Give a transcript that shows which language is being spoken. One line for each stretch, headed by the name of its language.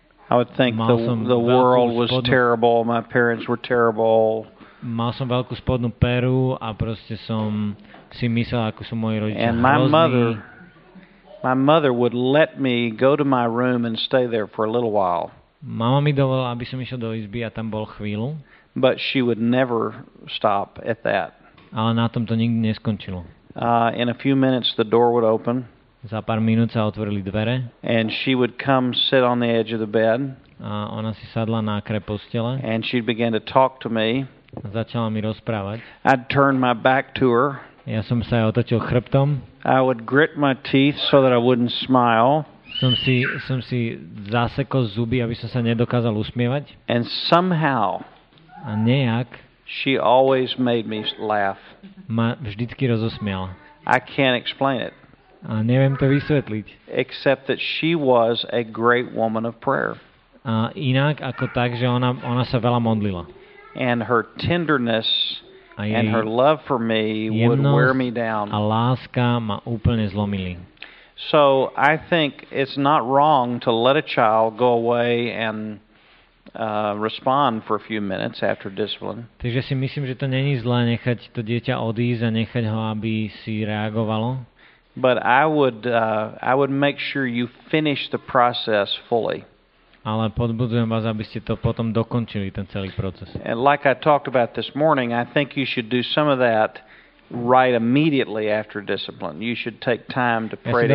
English: I would think the world was terrible, my parents were terrible.
Slovak: Mal som veľkú spodnú peru a proste som si myslel, ako sú moji rodičia hrozní.
English: And my mother would let me go to my room and stay there for a little while.
Slovak: Mama mi dovolila, aby som išiel do izby a tam bol chvíľu.
English: But she would never stop at that.
Slovak: Ale na tom to nikdy neskončilo.
English: In a few minutes the door would open.
Slovak: Za pár minút sa otvorili dvere.
English: And she would come sit on the edge of the bed.
Slovak: A ona si sadla na kraj postele.
English: And she began to talk to me.
Slovak: A začala mi rozprávať.
English: I'd turn my back to her.
Slovak: Ja som sa jej otočil chrbtom.
English: I would grit my teeth so that I wouldn't smile.
Slovak: Som si zasekol zuby, aby som sa nedokázal usmievať.
English: And somehow,
Slovak: a nejak,
English: she always made me laugh.
Slovak: Ma vždycky rozosmiala.
English: I can't explain it.
Slovak: A neviem to vysvetliť.
English: Except that she was a great woman of prayer.
Slovak: A inak ako tak, že ona sa veľa modlila.
English: And her tenderness and her love for me would wear me down.
Slovak: A láska ma úplne zlomili.
English: So I think it's not wrong to let a child go away and respond for a few minutes after discipline.
Slovak: Takže si myslím, že to není zlé nechať to dieťa odísť a nechať ho, aby si reagovalo.
English: But I would make sure you finish the process fully.
Slovak: Ale podbudzujem vás, aby ste to potom dokončili, ten celý proces.
English: And like I talked about this morning, I think you should do some of that right immediately after discipline. You should take time to pray together.